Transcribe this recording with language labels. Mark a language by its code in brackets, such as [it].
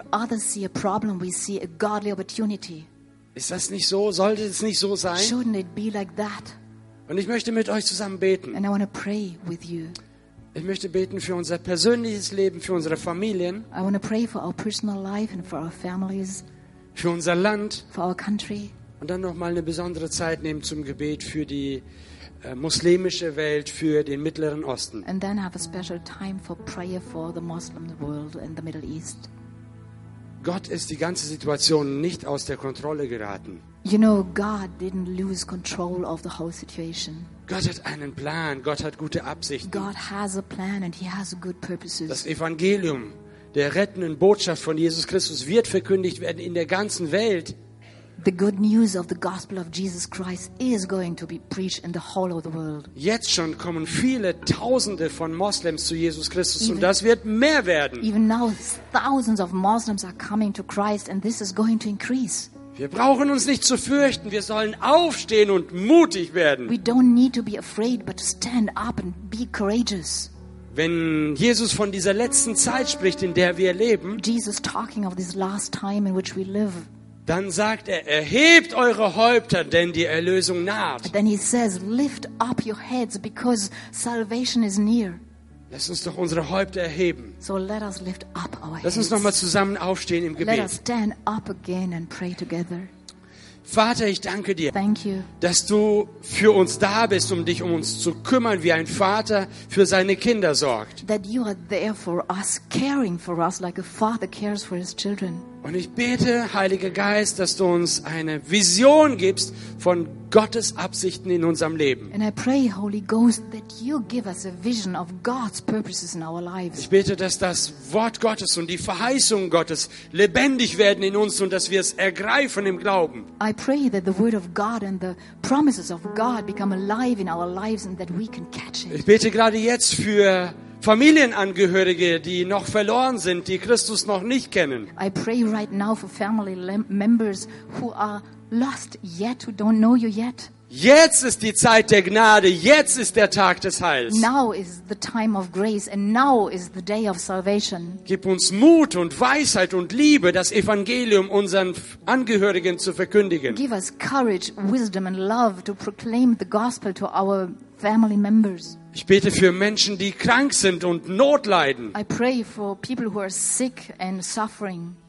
[en] Where others see a problem, we see a godly opportunity. [de] Ist das nicht so? Sollte es nicht so sein? [en] Shouldn't it be like that? [de] Und ich möchte mit euch zusammen beten. [en] And I want to pray with you. [de] Ich möchte beten für unser persönliches Leben, für unsere Familien. [en] I want to pray for our personal life and for our families. [de] Für unser Land. [en] For our country. [de] Und dann nochmal eine besondere Zeit nehmen zum Gebet für die muslimische Welt, für den Mittleren Osten. [en] And then have a special time for prayer for the Muslim world and the Middle East. [de] Gott ist die ganze Situation nicht aus der Kontrolle geraten. [en] You know, God didn't lose control of the whole situation. [de] Gott hat einen Plan, Gott hat gute Absichten. [en] God has a plan and he has good purposes. [de] Das Evangelium der rettenden Botschaft von Jesus Christus wird verkündigt werden in der ganzen Welt. [en] The good news of the gospel of Jesus Christ is going to be preached in the whole of the world. [de] Jetzt schon kommen viele Tausende von Moslems zu Jesus Christus, even, und das wird mehr werden. [en] Even now thousands of Muslims are coming to Christ and this is going to increase. [de] Wir brauchen uns nicht zu fürchten, wir sollen aufstehen und mutig werden. [en] We don't need to be afraid but to stand up and be courageous. [de] Wenn Jesus von dieser letzten Zeit spricht, in der wir leben, [en] Jesus talking of this last time in which we live, [de] dann sagt er, erhebt eure Häupter, denn die Erlösung naht. [en] Then he says, lift up your heads because salvation is near. [de] Lass uns doch unsere Häupter erheben. [en] So let us lift up our heads. [de] Lass uns nochmal zusammen aufstehen im Gebet. [en] Let us stand up again and pray together. [de] Vater, ich danke dir, [en] thank you, [de] dass du für uns da bist, um dich um uns zu kümmern, wie ein Vater für seine Kinder sorgt. [en] That you are there for us, caring for us like a father cares for his children. [de] Und ich bete, Heiliger Geist, dass du uns eine Vision gibst von Gottes Absichten in unserem Leben. [en] And I pray, Holy Ghost, that you give us a vision of God's purposes in our lives. [de] Ich bete, dass das Wort Gottes und die Verheißung Gottes lebendig werden in uns und dass wir es ergreifen im Glauben. [en] I pray that the word of God and the promises of God become alive in our lives and that we can catch it. [de] Ich bete gerade jetzt für Familienangehörige, die noch verloren sind, die Christus noch nicht kennen. [en] I pray right now for family members who are lost yet, who don't know you yet. [de] Jetzt ist die Zeit der Gnade, jetzt ist der Tag des Heils. [en] Now is the time of grace and now is the day of salvation. [de] Gib uns Mut und Weisheit und Liebe, das Evangelium unseren Angehörigen zu verkündigen. [en] Give us courage, wisdom and love to proclaim the gospel to our family members. [de] Ich bete für Menschen, die krank sind und Not leiden. [en] I pray for people who are sick and suffering.